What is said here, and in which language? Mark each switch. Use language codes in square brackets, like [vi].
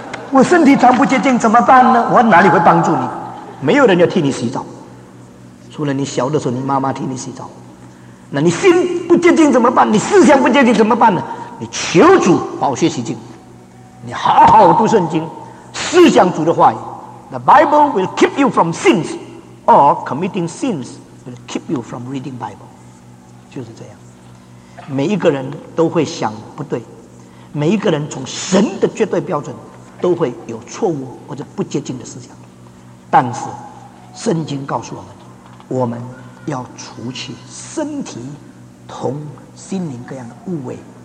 [zh] 我身体常不洁净怎么办呢？我哪里会帮助你？没有人要替你洗澡，除了你小的时候你妈妈替你洗澡。那你心不洁净怎么办？你思想不洁净怎么办呢？你求主保血洗净，你好好读圣经，思想主的话语。 [en] The Bible will keep you from sins, or committing sins will keep you from reading Bible。 [zh] 就是这样，每一个人都会想不对，每一个人从神的绝对标准都会有错误或者不洁净的思想。但是圣经告诉我们，我们要除去身体同心灵各样的污秽。